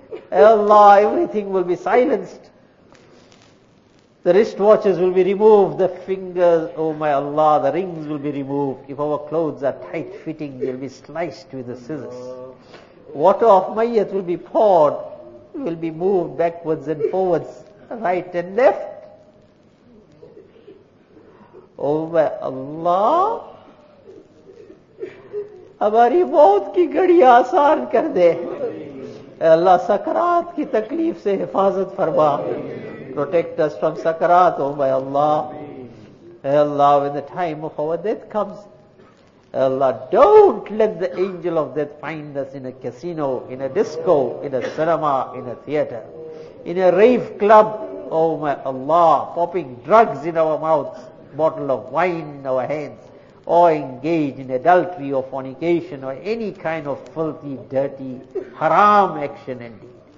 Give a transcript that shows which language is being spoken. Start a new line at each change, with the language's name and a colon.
English: Allah, everything will be silenced. The wristwatches will be removed, the fingers, oh my Allah, the rings will be removed. If our clothes are tight-fitting, they'll be sliced with the scissors. Water of mayyat will be poured, will be moved backwards and forwards, right and left. Oh my Allah,
Urdu: ہماری موت کی گھڑی آسان کر دے. اے اللہ, سکرات کی تکلیف سے حفاظت فرما.
English: Protect us from سکرات, oh my Allah. اے اللہ, when the time of our death comes, اے اللہ, don't let the angel of death find us in a casino, in a disco, in a cinema, in a theater, in a rave club, oh my Allah, popping drugs in our mouths, bottle of wine in our hands, or engage in adultery or fornication or any kind of filthy, dirty, haram action and deed.